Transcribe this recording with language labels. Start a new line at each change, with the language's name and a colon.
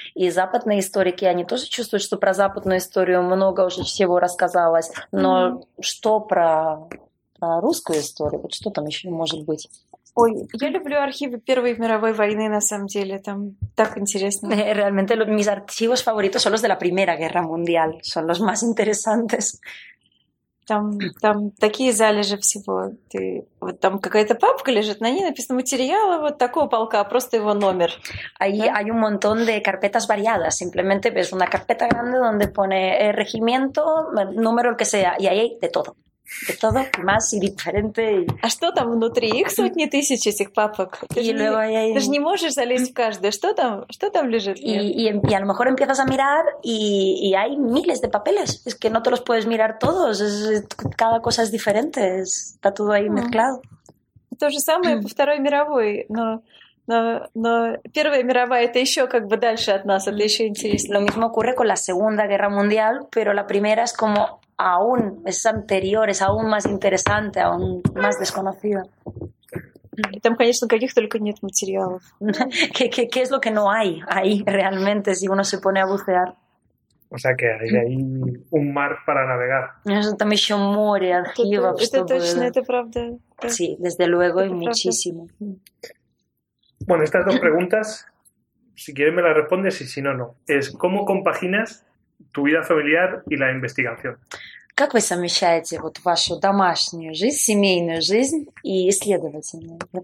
Russian: И западные историки, они тоже чувствуют, что про западную историю много уже всего рассказалось, но что про русскую историю, вот что там еще может быть? Ой, я люблю архивы Первой мировой войны, на самом деле, там так интересно.
Spanish: Realmente, mis archivos favoritos son los de la Primera Guerra Mundial, son los más interesantes.
Russian: Там такие залежи всего. Ты, вот там какая-то папка лежит, на ней написано материалы вот такого полка, просто его номер.
Spanish: Ahí
Russian: да?
Spanish: Hay un montón de carpetas variadas. Simplemente ves una carpeta grande donde pone regimiento, número, el que sea, y ahí hay de todo. De todo, más y diferente.
Russian: А что там внутри? Их сотни тысяч, этих папок. Ты же не можешь залезть в каждую. Что там лежит?
Spanish: И a lo mejor empiezas a mirar y hay miles de papeles. Es que no te los puedes mirar todos. Cada cosa es diferente. Está todo ahí mezclado.
Russian: То же самое по Второй мировой, но Первая мировая это еще как бы дальше от нас, это еще интереснее.
Spanish: Lo mismo ocurre con la Segunda Guerra Mundial, pero la primera es como aún, es anterior, es aún más interesante, aún más desconocida.
Russian: Y там, конечно, каких только нет материалов.
Spanish: ¿Qué es lo que no hay ahí realmente si uno se pone a bucear? O sea que hay un mar para navegar. Eso también es un mar, archivo.
Russian: Это точно, это правда.
Spanish: Sí, desde luego, y muchísimo. Bueno, estas dos preguntas, si quieres me las respondes y si no, no. Es cómo compaginas tu vida familiar y la investigación.
Russian: Как вы совмещаете вот вашу домашнюю жизнь, семейную жизнь и исследовательную?